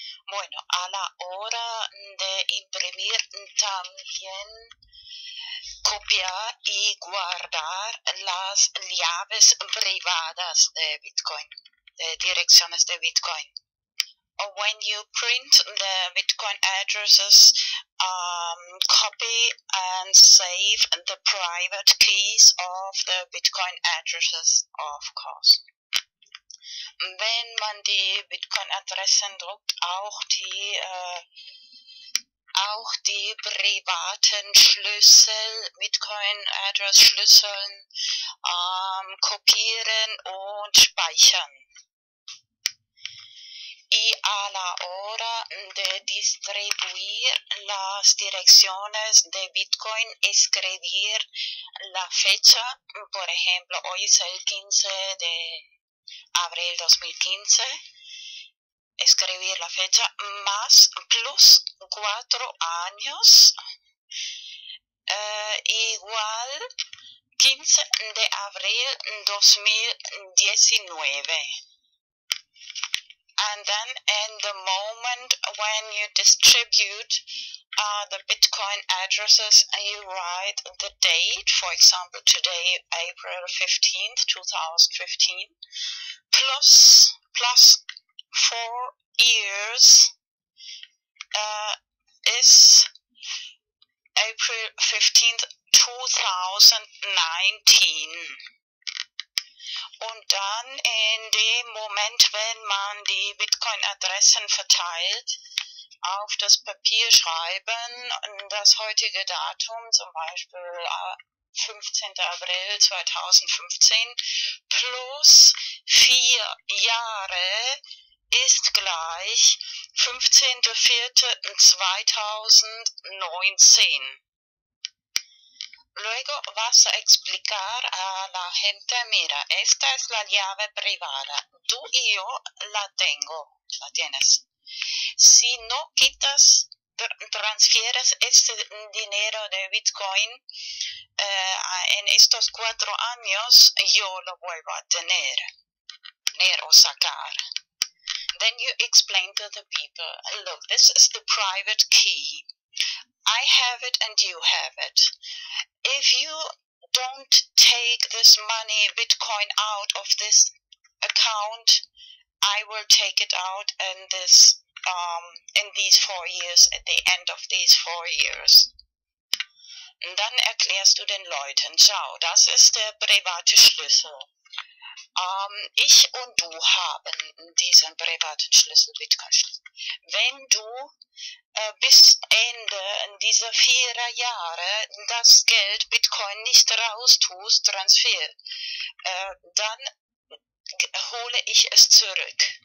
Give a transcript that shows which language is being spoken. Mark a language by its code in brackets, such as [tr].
[es] Bueno, a la hora de imprimir también, copiar y guardar las llaves privadas de Bitcoin, de direcciones de Bitcoin. [en] Or when you print the Bitcoin addresses, copy and save the private keys of the Bitcoin addresses, of course. [de] Wenn man die Bitcoin-Adressen druckt, auch die privaten Schlüssel, Bitcoin-Address-Schlüsseln, kopieren und speichern. [es] Y a la hora de distribuir las direcciones de Bitcoin, escribir la fecha, por ejemplo, hoy es el 15 de abril 2015, escribir la fecha más plus 4 años igual 15 de abril 2019. [en] And then in the moment when you distribute the Bitcoin addresses, you write the date, for example, today, April 15th, 2015, plus 4 years is April 15th, 2019. [de] Und dann in dem Moment, wenn man die Bitcoin-Adressen verteilt, auf das Papier schreiben, das heutige Datum, zum Beispiel 15. April 2015, plus 4 Jahre, ist gleich 15.04.2019. [es] Luego vas a explicar a la gente, mira, esta es la llave privada. Tú y yo la tengo, la tienes. Si no quitas, transfieres este dinero de Bitcoin en estos 4 años, yo lo vuelvo a tener o sacar. [en] Then you explain to the people, look, this is the private key. I have it and you have it. If you don't take this money, Bitcoin, out of this account, I will take it out in this, in these 4 years, at the end of these 4 years. [de] Und dann erklärst du den Leuten, schau, das ist der private Schlüssel. Ich und du haben diesen privaten Schlüssel, Bitcoin-Schlüssel. Wenn du bis Ende dieser 4 Jahre das Geld Bitcoin nicht raus tust, Transfer, dann hole ich es zurück.